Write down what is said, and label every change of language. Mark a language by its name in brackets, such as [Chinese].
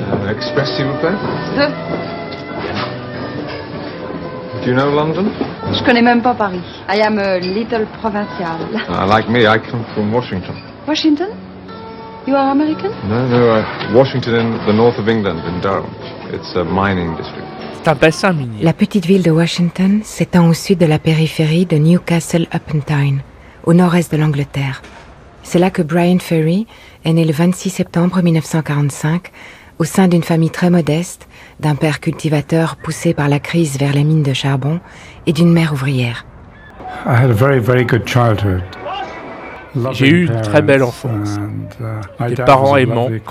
[French] Express, s'il vous plaît. [English] Do you know London? [French] Je connais même pas Paris. [English] I am a little provincial. Like me, I come from Washington. Washington? You are American? No, Washington in the north of England, in Durham. It's a mining district. [French] C'est un bassin minier. La petite ville de Washington s'étend au sud de la périphérie de Newcastle upon Tyne, au nord-est de l'Angleterre. C'est là que Brian Ferry est né le 26 septembre 1945. Au sein d'une famille très modeste, d'un père cultivateur poussé par la crise vers les mines de charbon et d'une mère ouvrière. [English] I had a very, very good childhood. [French] J'ai eu une très belle enfance. Des parents aimants.